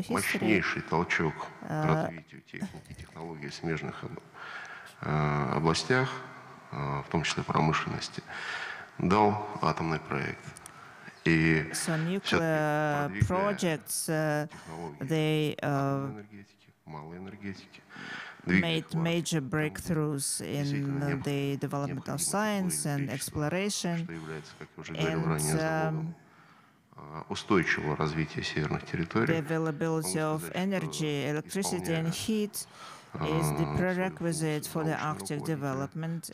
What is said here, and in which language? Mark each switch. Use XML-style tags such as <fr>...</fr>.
<ru>мощнейший толчок развитию технологий в смежных областях, в том числе промышленности, дал атомный проект.</ru> <en>So nuclear projects, they made major breakthroughs in the development of science and exploration, and</en> <ru>устойчивого развития северных территорий.</ru> <en>The availability of energy, electricity, and heat is the prerequisite for the Arctic development.</en>